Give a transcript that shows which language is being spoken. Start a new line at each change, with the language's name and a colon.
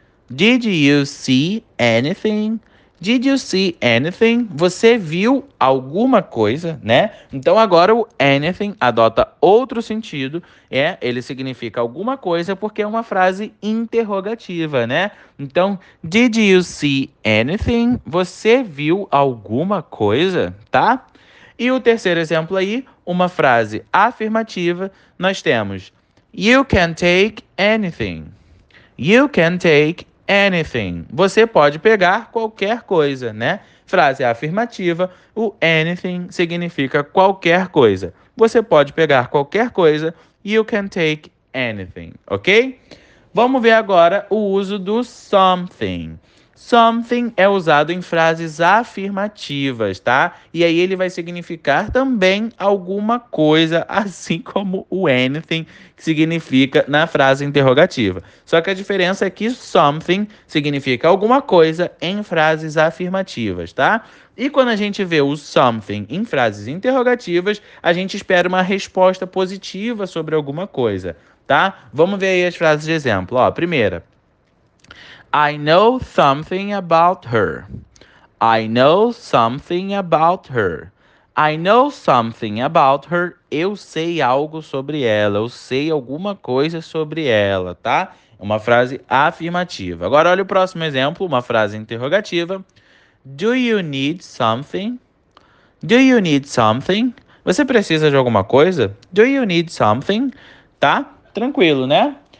English: Did you see anything? Did you see anything?
Portuguese: Você viu alguma coisa, né? Então agora o anything adota outro sentido, é, ele significa alguma coisa porque é uma frase interrogativa, né?
English: Então, did you see anything?
Portuguese: Você viu alguma coisa, tá? E o terceiro exemplo aí, uma frase afirmativa, nós temos
English: you can take anything. You can take anything.
Portuguese: Você pode pegar qualquer coisa, né? Frase afirmativa, o anything significa qualquer coisa. Você pode pegar qualquer coisa,
English: you can take anything,
Portuguese: ok? Vamos ver agora o uso do something. Something é usado em frases afirmativas, tá? E aí ele vai significar também alguma coisa, assim como o anything que significa na frase interrogativa. Só que a diferença é que something significa alguma coisa em frases afirmativas, tá? E quando a gente vê o something em frases interrogativas, a gente espera uma resposta positiva sobre alguma coisa, tá? Vamos ver aí as frases de exemplo. Ó, primeira.
English: I know something about her. I know something about her. I know something about her.
Portuguese: Eu sei algo sobre ela. Eu sei alguma coisa sobre ela, tá? Uma frase afirmativa. Agora olha o próximo exemplo, uma frase interrogativa.
English: Do you need something? Do you need something?
Portuguese: Você precisa de alguma coisa?
English: Do you need something?
Portuguese: Tá? Tranquilo, né?